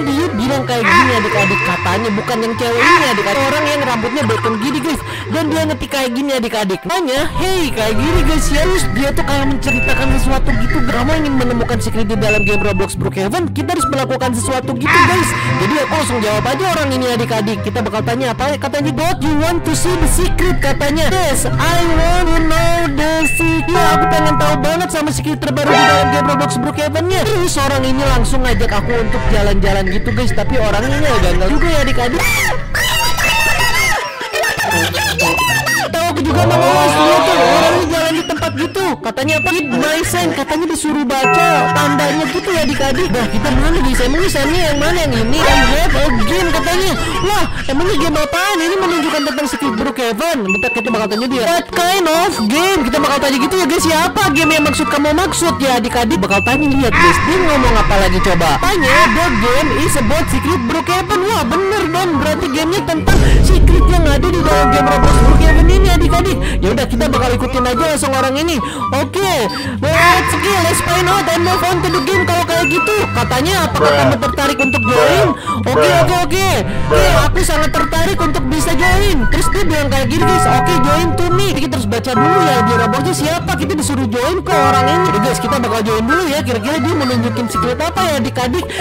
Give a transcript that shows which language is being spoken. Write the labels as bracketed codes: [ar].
[id] Dia bilang kayak gini adik-adik, katanya bukan yang cewek ini adik-adik, orang yang rambutnya botong gini guys. Dan dia ngetik kayak gini adik-adik, tanya, hey kayak gini guys ya. Terus dia tuh kayak menceritakan sesuatu gitu, kamu ingin menemukan secret di dalam game Roblox Brookhaven, kita harus melakukan sesuatu gitu guys. Jadi aku langsung jawab aja orang ini adik-adik. Kita bakal tanya apa katanya. [en] God, you want to see the secret [id] katanya. [en] Yes, I want to know the secret. [id] Ya, aku pengen tahu banget sama secret terbaru di dalam game Roblox Brookhaven-nya. Terus orang ini langsung ngajak aku untuk jalan-jalan gitu guys. Tapi orang ini agak ngel juga ya adik-adik. Juga mau ngawas dia tuh, orangnya jalan di tempat gitu. Katanya apa? [en] Read my sign. [id] Katanya disuruh baca tandanya gitu ya adik-adik. Nah kita mana guys, emangnya signnya yang mana? Yang ini? [en] I have a game [id] katanya. Wah emangnya game apaan? Ini menunjukkan tentang secret Brookhaven. Bentar kita bakal tanya dia, [en] what kind of game? [id] Kita bakal tanya gitu ya guys. Siapa game yang maksud kamu maksud ya adik-adik? Bakal tanya, lihat guys, dia ngomong apa lagi coba. Tanya, [en] the game is about secret Brookhaven. [id] Wah bener dong, berarti gamenya tentang secret yang ada di dalam game Roblox Brookhaven ini adik-adik. Ya udah kita bakal ikutin aja langsung orang ini. Oke, [en] let's go, let's find out and move on to the game. [id] Kalau kayak gitu, katanya apakah kamu tertarik untuk join? Oke, oke, oke. Oke, aku sangat tertarik untuk bisa join. Terus dia bilang kayak gini guys, oke, [en] join to me. [id] Kita harus baca dulu ya di robotnya siapa. Kita disuruh join ke orang ini. Jadi guys, kita bakal join dulu ya. Kira-kira dia menunjukin secret apa ya adik-adik.